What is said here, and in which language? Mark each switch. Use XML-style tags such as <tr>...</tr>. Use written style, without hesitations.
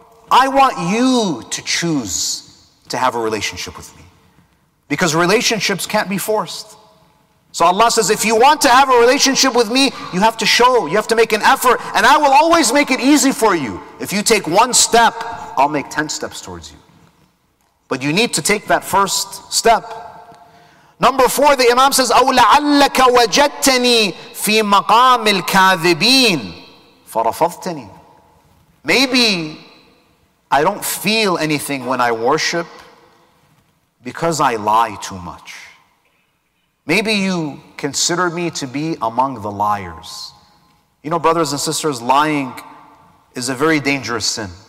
<en>I want you to choose to have a relationship with me, because relationships can't be forced. So Allah says, if you want to have a relationship with me, you have to show, you have to make an effort, and I will always make it easy for you. If you take one step, I'll make 10 steps towards you. But you need to take that first step. Number four, the Imam says,</en> <ar>أَوْ لَعَلَّكَ وَجَدْتَنِي فِي مَقَامِ الْكَاذِبِينَ فَرَفَضْتَنِي.</ar> <en>Maybe I don't feel anything when I worship because I lie too much. Maybe you consider me to be among the liars. You know, brothers and sisters, lying is a very dangerous sin.</en>